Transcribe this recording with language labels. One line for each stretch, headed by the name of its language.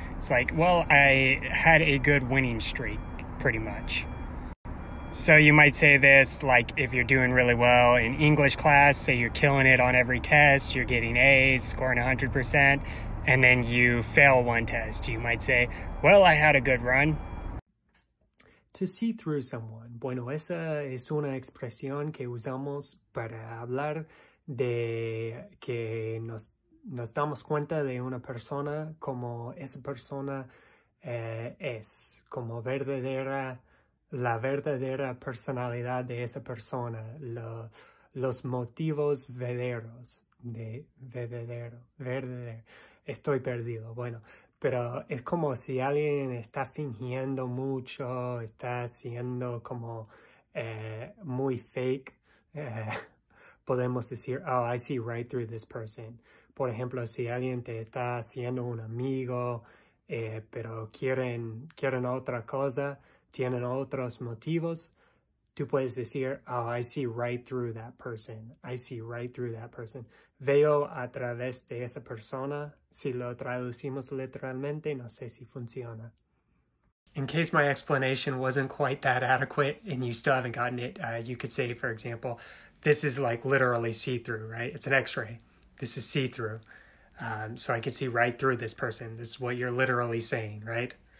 English: It's like, well, I had a good winning streak, pretty much. So you might say this, like if you're doing really well in English class, say you're killing it on every test, you're getting A's, scoring 100%, and then you fail one test. You might say, well, I had a good run. To see through someone.
Spanish: Bueno, esa es una expresión que usamos para hablar de que nos damos cuenta de una persona como esa persona es, como verdadera, la verdadera personalidad de esa persona, los motivos verdaderos, de verdadero, verdadero. Estoy perdido, bueno. Pero es como si alguien está fingiendo mucho, está siendo como muy fake. Podemos decir,
English: oh, I see right through this person.
Spanish: Por ejemplo, si alguien te está haciendo un amigo, pero quieren otra cosa, tienen otros motivos,
English: Dupuis this year, oh, I see right through that person. I see right through that person.
Spanish: Veo a través de esa persona. Si lo traducimos literalmente, no sé si funciona.
English: In case my explanation wasn't quite that adequate and you still haven't gotten it, you could say, for example, this is like literally see-through, right? It's an x-ray. This is see-through. So I can see right through this person. This is what you're literally saying, right?